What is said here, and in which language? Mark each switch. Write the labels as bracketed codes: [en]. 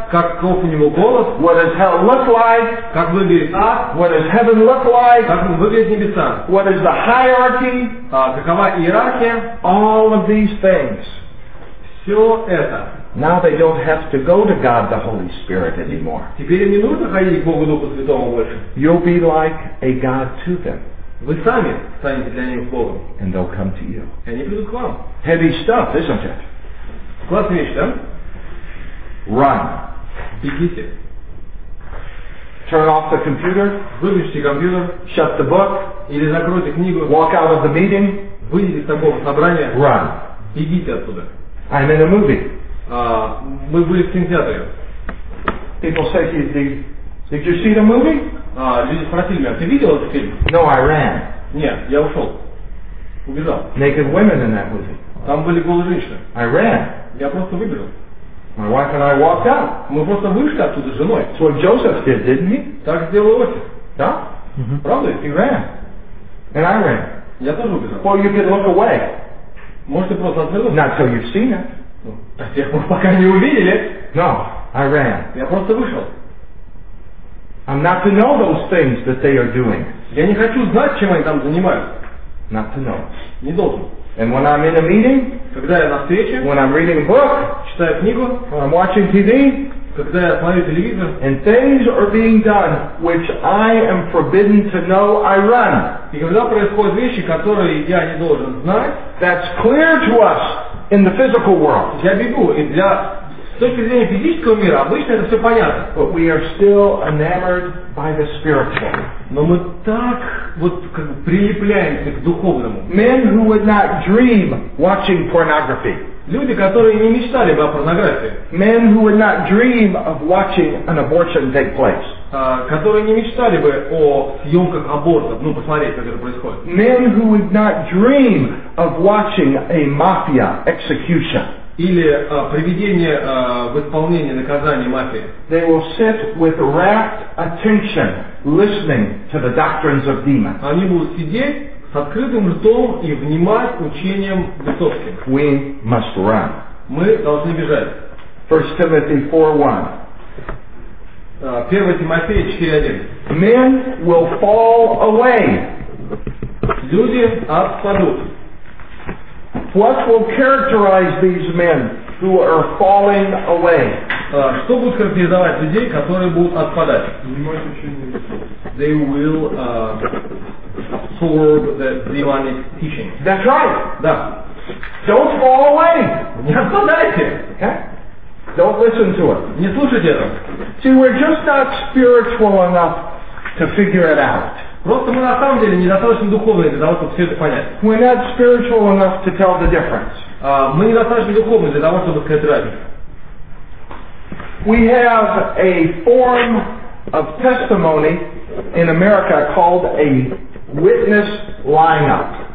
[ru] Каков у него голос. [en] What does hell look like? [ru] Как выглядит ад. [en] What does heaven look like? [ru] Как выглядит небеса. [en] What is the hierarchy? [ru] Какова иерархия? [en] All of these things. [ru] Все это. [en] Now they don't have to go to God the Holy Spirit anymore. [ru] Теперь им не нужно ходить к Богу Духу Святому больше. [en] You'll be like a God to them. [ru] Вы сами станете для них Богом. [en] And they'll come to you. [ru] И они придут к вам. [en] Heavy stuff, isn't it? [ru] Классная вещь, да? [en] Run. [ru] Бегите. [en] Turn off the computer. [ru] Выключите компьютер. [en] Shut the book. [ru] Или закройте книгу. [en] Walk out of the meeting. [ru] Выйдите из такого собрания. [en] Run. [ru] Бегите оттуда. [en] I'm in a movie. [ru] Мы были в кинотеатре. [en] People say, do you Did you see the movie? [ru] Люди спросили меня, ты видел этот фильм? [en] No, I ran. [ru] Нет, я ушел. Убежал. [en] Naked women in that movie. [ru] Там были голые женщины. [en] I ran. [ru] Я просто выбежал. [en] My wife and I walked out. [ru] Мы просто вышли оттуда с женой. [en] That's what Joseph did, didn't he? [ru] Так сделал Иосиф. Да? Mm-hmm. Правда? [en] He ran. And I ran. [ru] Я тоже убежал. [en] Well, you could look away. [ru] Может, ты просто отвернулся? [en] Not till you've seen it. [ru] До тех пор, пока не увидели. [en] No, I ran. [ru] Я просто вышел. [en] I'm not to know those things that they are doing. [ru] Я не хочу знать, чем они там занимаются. [en] Not to know. [ru] Не должен. [en] And when I'm in a meeting, [ru] когда я на встрече, [en] when I'm reading a book, [ru] читаю книгу, [en] when I'm watching TV, [ru] когда я смотрю телевизор, [en] and things are being done which I am forbidden to know, I run. [ru] И когда происходят вещи, которые я не должен знать, [en] that's clear to us in the physical world. [ru] Я бегу, и для с точки зрения физического мира обычно это все понятно. [en] But we are still enamored by the spiritual. [ru] Но мы так вот как бы прилипляемся к духовному. [en] Men who would not dream watching pornography. [ru] Люди, которые не мечтали бы о порнографии. [en] Men who would not dream of watching an abortion take place. [ru] Которые не мечтали бы о съемках абортов, ну посмотреть, как это происходит. [en] Men who would not dream of watching a mafia execution. [ru] Или приведение в исполнение наказания мафии. [en] They will sit with rapt attention, listening to the doctrines of demons. [ru] Они будут сидеть с открытым ртом и внимать учениям бесовским. [en] We must run. [ru] Мы должны бежать. [en] 1 Timothy 4:1. [ru] 1 Тимофея 4:1. [en] Men will fall away. [ru] Люди отпадут. [en] What will characterize these men who are falling away? [ru] Что будет характеризовать людей, которые будут отпадать? [en] They will absorb the demonic teaching. That's right. [ru] Да. [en] Don't fall away. [ru] Не отпадайте. [en] Don't listen to it. [ru] Не слушайте это. [en] See, we're just not spiritual enough to figure it out. [ru] Просто мы на самом деле недостаточно духовные для того, чтобы все это понять. [en] We're not spiritual enough to tell the difference. [ru] Мы недостаточно духовные для того, чтобы сказать разницу. [en] We have a form of testimony in America called a witness lineup.